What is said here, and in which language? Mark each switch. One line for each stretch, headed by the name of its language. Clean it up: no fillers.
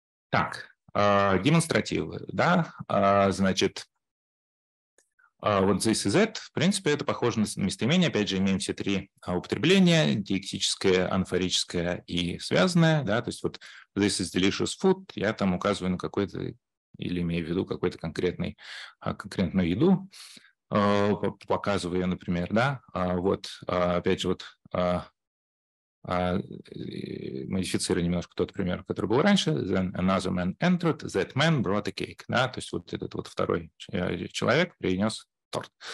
Russian: Так, демонстративы, да, значит, вот this и z, в принципе, это похоже на местоимение, опять же, имеем все три употребления, диэктическое, анафорическое и связанное, да, то есть вот
English: this is delicious food,
Russian: я там указываю на какой-то, или имею в виду какой-то конкретную еду, показываю ее, например, да, вот, опять же, вот, модифицирую немножко тот пример, который был раньше.
English: Then another man entered, that man brought a cake.
Russian: Да? То есть вот этот вот второй человек принес торт.